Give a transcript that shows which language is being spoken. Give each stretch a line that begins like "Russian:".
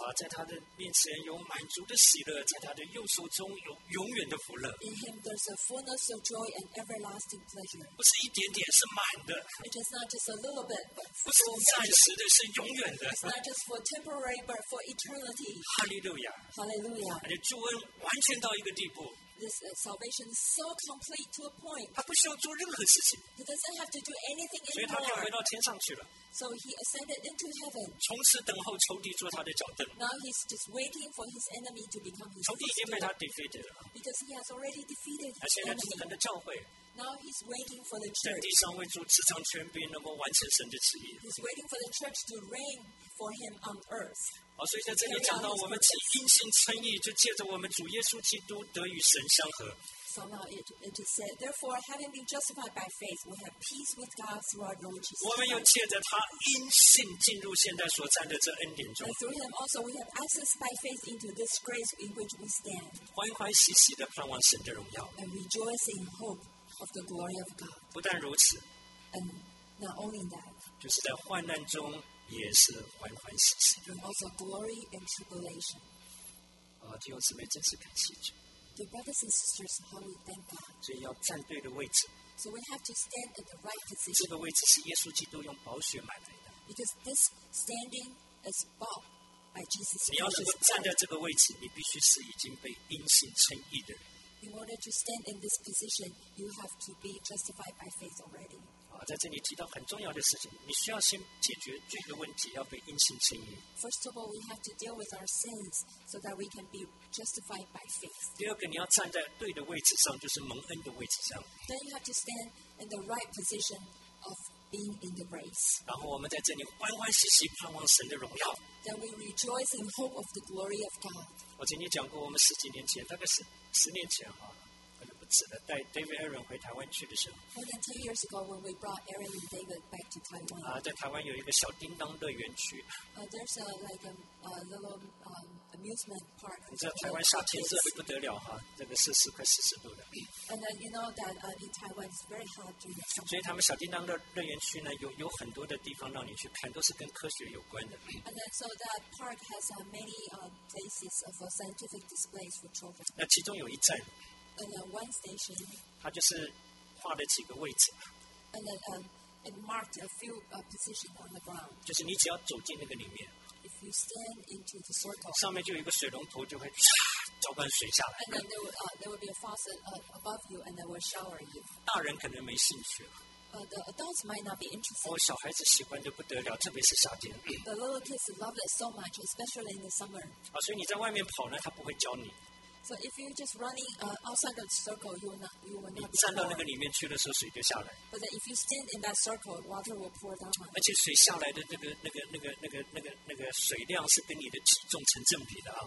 Chinese: 在他的面前有满足的喜乐，在他的右手中有永远的福乐。
English: In Him, there's a fullness of joy and everlasting pleasure.
Chinese: 不是一点点，是满的。
English: It is not just a little bit, but
Chinese: 不是暂时的，是永远的。
English: It's not just for temporary, but for eternity. Hallelujah. Hallelujah.
Chinese: 而且救恩完全到一个地步。
English: This salvation is so complete to a point.
Chinese: 他不需要做任何事情。
English: He doesn't have to do anything anymore.
Chinese: 所以他便回到天上去了。
English: So he ascended into heaven.
Chinese: 从此等候仇敌做他的脚凳。
English: Now he's just waiting for his enemy to become his
Chinese: footstool. 仇敌已经被他 defeated 了。
English: Because he has already defeated his
Chinese: enemy. 现在是神的教会。
English: Now he's waiting for the church.
Chinese: 在地上为主执掌权柄，能够完成神的旨意。
English: He's waiting for the church to reign for him on earth.
Chinese: 好，所以在这里讲到，我们既因信称义，就借着我们主耶稣基督得与神相合。
English: So now it is said, therefore, having been justified by faith, we have peace with God through our Lord Jesus.
Chinese: 我们又借着他因信进入现在所站的这恩典中。
English: And through him also, we have access by faith into this grace in which we stand.
Chinese: 欢欢喜喜的盼望神的荣耀。
English: And rejoice in hope of the glory of God.
Chinese: 不但如此。
English: And not only that.
Chinese: 就是在患难中也是欢欢喜喜的。
English: And also glory in tribulation.
Chinese: 弟兄姊妹，真是感谢主。
English: The brothers and sisters, how we thank God.
Chinese: 所以要站对的位置。
English: So we have to stand at the right position.
Chinese: 这个位置是耶稣基督用宝血买来的。
English: Because this standing is bought by Jesus Christ.
Chinese: 你要能够站在这个位置，你必须是已经被因信称义的人。
English: In order to stand in this position, you have to be justified by faith already.
Chinese: 在这里提到很重要的事情，你需要先解决罪的问题，要被因信称义。
English: First of all, we have to deal with our sins so that we can be justified by faith.
Chinese: 第二个，你要站在对的位置上，就是蒙恩的位置上。
English: Then you have to stand in the right position of being in the grace.
Chinese: 然后我们在这里欢欢喜喜盼望神的荣耀。
English: Then we rejoice in hope of the glory of God.
Chinese: 我曾经讲过，我们十几年前，大概是十年前哈。带 David Aaron 回台湾去的时候
English: More than 10 years ago when we brought Aaron and David back to Taiwan
Chinese: 在台湾有一个小叮当乐园区
English: There's a, like a little amusement park
Chinese: 你知道台湾夏天热得不得了哈，这个是四块四十度的
English: And then you know that in Taiwan it's very hot during the summer
Chinese: 所以他们小叮当乐园区呢 有很多的地方让你去看都是跟科学有关的
English: And then so that park has many places for scientific displays for children
Chinese: 那其中有一站
English: And then one station.
Chinese: 它就是画了几个位置。
English: And then it marked a few position on the ground.
Chinese: 就是你只要走进那个里面。
English: If you stand into the circle.
Chinese: 上面就有一个水龙头，就会浇灌水下来。
English: And then there will be a faucet above you, and they will shower you.
Chinese: 大人可能没兴趣。
English: The adults might not be interested.
Chinese: 小孩子喜欢的不得了，特别是夏天。
English: The little kids love it so much, especially in the summer.
Chinese: 所以你在外面跑呢，他不会教你。
English: So if you're just running outside the circle, you will not.
Chinese: 你站到那个里面去的时候，水就下来。
English: But if you stand in that circle, water will pour down.
Chinese: 而且水下来的那个个水量是跟你的体重成正比的啊。